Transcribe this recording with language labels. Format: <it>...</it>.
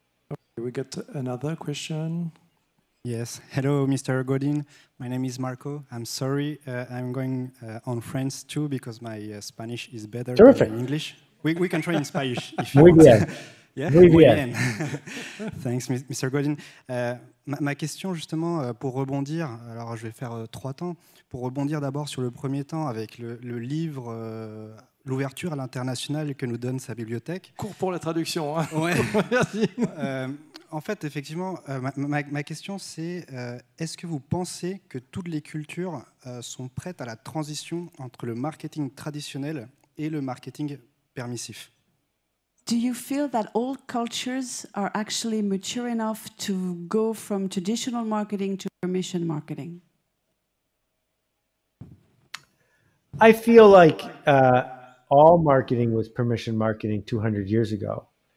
<en>Okay, we get another question. Yes. Hello, Mr. Godin. My name is Marco. I'm sorry. I'm going on France too because my Spanish is better than English. We can try in Spanish if you want.</en> <es>Muy bien.</es> <en>Thanks, Mr. Godin.</en> <fr>Ma question, justement, pour rebondir, alors je vais faire trois temps, pour rebondir d'abord sur le premier temps avec le livre, l'ouverture à l'international que nous donne sa bibliothèque. Cours pour la traduction. Hein. Ouais. Merci. En fait, effectivement, ma question, c'est est-ce que vous pensez que toutes les cultures sont prêtes à la transition entre le marketing traditionnel et le marketing permissif?</fr> <en>Do you feel that all cultures are actually mature enough to go from traditional marketing to permission marketing? I feel like all marketing was permission marketing 200 years ago.</en>